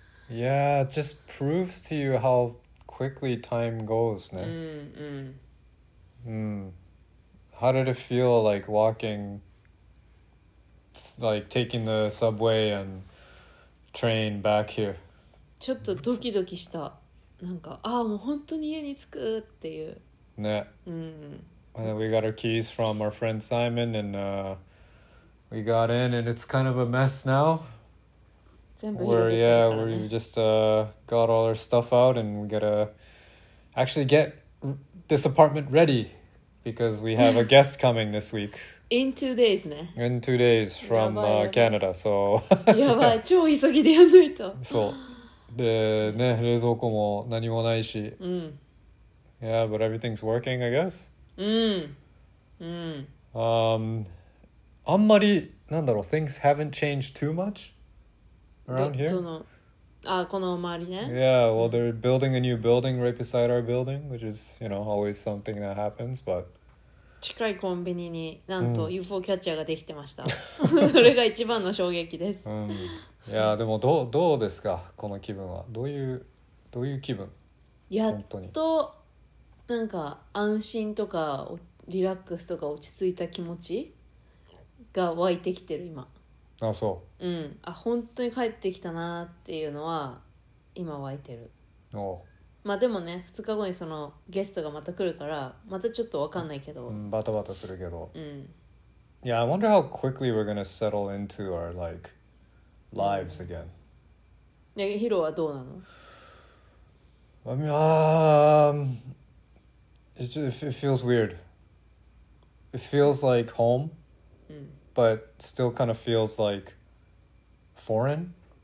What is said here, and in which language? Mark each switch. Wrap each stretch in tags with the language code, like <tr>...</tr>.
<en>Yeah, it just proves to you how quickly time goes, ne. How did it feel like walking, like taking the subway and train back here?</en> <ja>ちょっとドキドキした。なんか、ああ、もう本当に家に着くっていう。ね。うん。</ja> <en>And then we got our keys from our friend Simon and we got in and it's kind of a mess now.</en> <ja>全部拾ってるからね。</ja> <en>Where, yeah, we just got all our stuff out and we gotta actually get this apartment ready. Because we have a guest coming this week. In 2 days, ne? In 2 days from Canada, so...</en> <ja>Yabai, 超急ぎでやんないと。そう。で、ね、冷蔵庫も何もないし。うん。</ja> <en>Yeah, but everything's working, I guess.</en> <ja>うん。うん。あんまり、なんだろう、</ja> <en>things haven't changed too much around here?</en> <ja>どの、この周りね。</ja> <en>Yeah, well, they're building a new building right beside our building, which is, you know, always something that happens, but...</en> <ja>近いコンビニになんと UFO キャッチャーができてました、うん、それが一番の衝撃です、うん、いやでもどうですかこの気分は。どういう気分。やっとなんか安心とかリラックスとか落ち着いた気持ちが湧いてきてる今。あ、そう、うん、あ、本当に帰ってきたなっていうのは今湧いてる。おう、まあでもね、2日後にそのゲストがまた来るからまたちょっと分かんないけど、うん、バタバタするけど、うん、</ja> <en>Yeah, I wonder how quickly we're gonna settle into our like lives again.</en> <ja>ヒロはどうなの？</ja> <en>I mean, it's just, it feels weird. It feels like home, but still kind of feels like foreign.</en>